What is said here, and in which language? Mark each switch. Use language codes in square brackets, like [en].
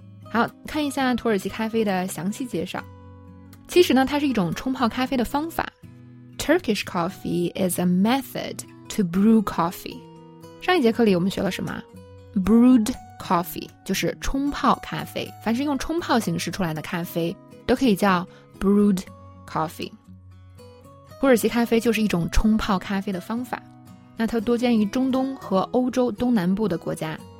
[zh] 好，看一下土耳其咖啡的详细介绍。其实呢，它是一种冲泡咖啡的方法。 [en] Turkish coffee is a method to brew coffee. [zh] 上一节课里我们学了什么？Brewed coffee 就是冲泡咖啡。凡是用冲泡形式出来的咖啡都可以叫 brewed coffee。土耳其咖啡就是一种冲泡咖啡的方法。那它多见于中东和欧洲东南部的国家。